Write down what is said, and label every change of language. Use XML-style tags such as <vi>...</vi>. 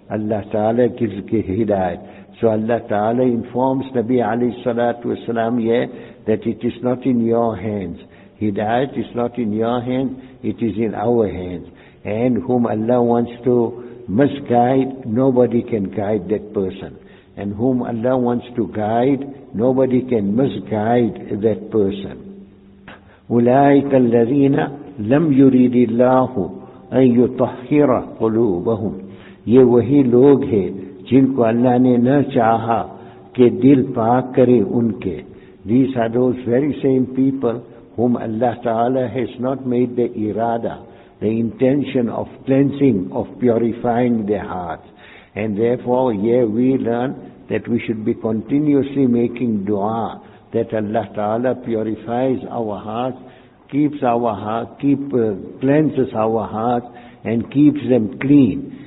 <en>Allah Ta'ala gives hidayah. So Allah Ta'ala informs Nabi alayhi salatu wasalam, yeah, that it is not in your hands. Hidayah is not in your hands, it is in our hands. And whom Allah wants to misguide, nobody can guide that person. And whom Allah wants to guide, nobody can misguide that person.</en> <ar>أولئك الذين لم يريد الله أن يطهر قلوبهم.</ar> <ur>یہ وہی لوگ ہیں جن کو اللہ نے نہ چاہا کہ دل پاک کرے ان کے.</ur> <en>These are those very same people whom Allah Ta'ala has not made the irada, the intention of cleansing, of purifying their hearts. And therefore, yeah, we learn that we should be continuously making dua that Allah Ta'ala purifies our hearts, keeps our heart, cleanses our hearts, and keeps them clean.</en>